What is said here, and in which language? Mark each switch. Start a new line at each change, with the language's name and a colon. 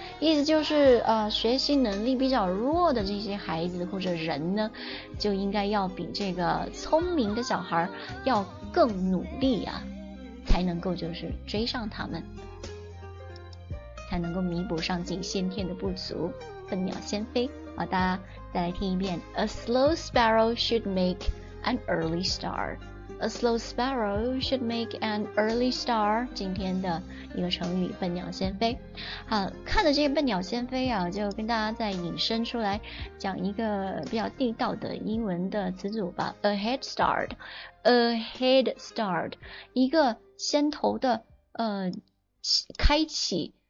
Chinese: 意思就是，学习能力比较弱的这些孩子或者人呢，就应该要比这个聪明的小孩要更努力呀，才能够就是追上他们，才能够弥补上自己先天的不足。笨鸟先飞，好，大家再来听一遍。
English: A slow sparrow should make an early star. A slow sparrow should make an early star.
Chinese: 今天的一个成语"笨鸟先飞"。好，看的这个"笨鸟先飞"啊，就跟大家再引申出来讲一个比较地道的英文的词组吧。
English: A head start, a head start,
Chinese: 一个先头的，开启。